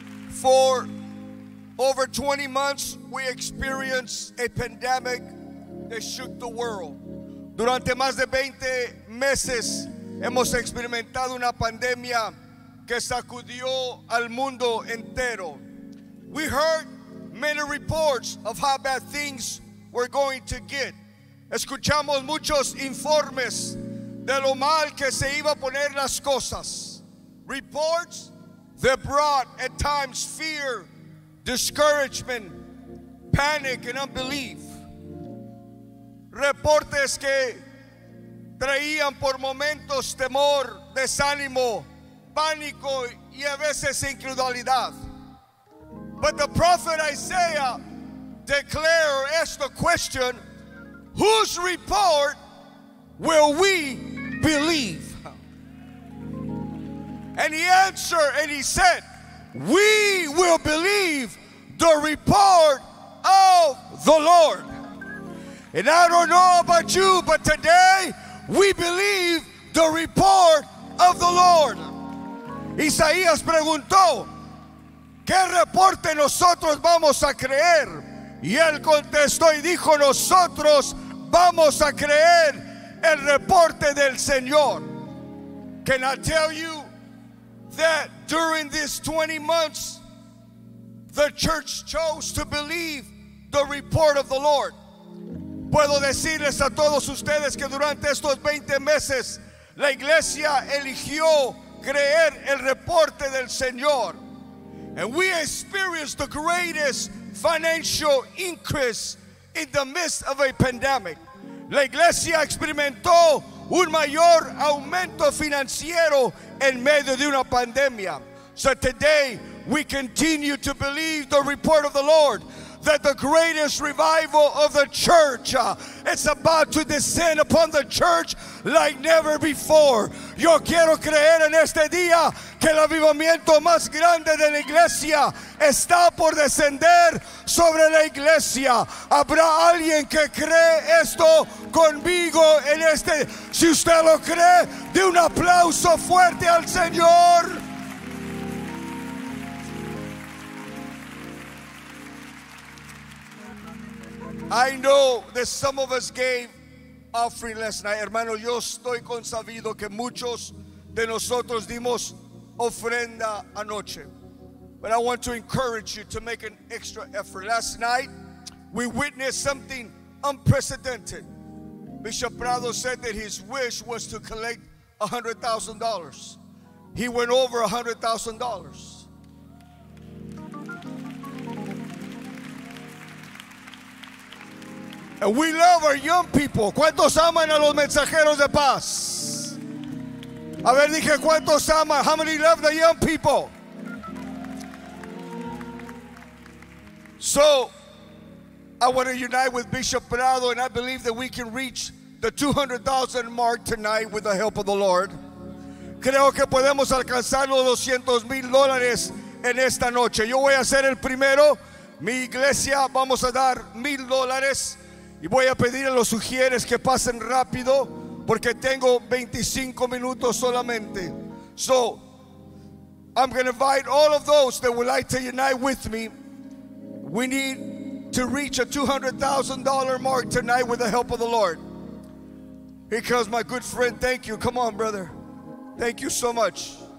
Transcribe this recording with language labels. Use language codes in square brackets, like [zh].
[en] For over 20 months, we experienced a pandemic that shook the world. [es] Durante más de 20 meses hemos experimentado una pandemia que sacudió al mundo entero. [en] We heard many reports of how bad things were going to get. [es] Escuchamos muchos informes de lo mal que se iba a poner las cosas. [en] Reports that brought at times fear, discouragement, panic, and unbelief. [es] Reportes que traían por momentos temor, desánimo, pánico y a veces incredulidad. [en] But the prophet Isaiah declared, asked the question, whose report will we believe? And he answered and he said, we will believe the report of the Lord. And I don't know about you, but today we believe the report of the Lord. [es] Isaías preguntó, ¿qué reporte nosotros vamos a creer? Y él contestó y dijo, nosotros vamos a creer el reporte del Señor. [en] Can I tell you that during these 20 months, the church chose to believe the report of the Lord? [es] Puedo decirles a todos ustedes que durante estos 20 meses la iglesia eligió creer el reporte de el Señor. [en] And we experienced the greatest financial increase in the midst of a pandemic. [es] La iglesia experimentó un mayor aumento financiero en medio de una pandemia. [en] So today, we continue to believe the report of the Lord that the greatest revival of the church is about to descend upon the church like never before. [es] Yo quiero creer en este día que el avivamiento más grande de la iglesia está por descender sobre la iglesia. Habrá alguien que cree esto conmigo en este. Si usted lo cree, dé un aplauso fuerte al Señor. [en] I know that some of us gave offering last night. [es] Hermano, yo estoy consabido que muchos de nosotros dimos ofrenda anoche. [en] But I want to encourage you to make an extra effort. Last night, we witnessed something unprecedented. Bishop Prado said that his wish was to collect $100,000. He went over $100,000. And we love our young people. [es] ¿Cuántos aman a los mensajeros de paz? A ver, dije, ¿cuántos aman? [en] How many love the young people? So, I want to unite with Bishop Prado, and I believe that we can reach the 200,000 mark tonight with the help of the Lord. [es] Creo que podemos alcanzar los 200 mil dólares en esta noche. Yo voy a ser el primero. Mi iglesia, vamos a dar $1,000. Y voy a pedir a los sugieres que pasen rápido porque tengo 25 minutos solamente. [en] So, I'm going to invite all of those that would like to unite with me. We need to reach a $200,000 mark tonight with the help of the Lord. Here comes my good friend. Thank you. Come on, brother. Thank you so much.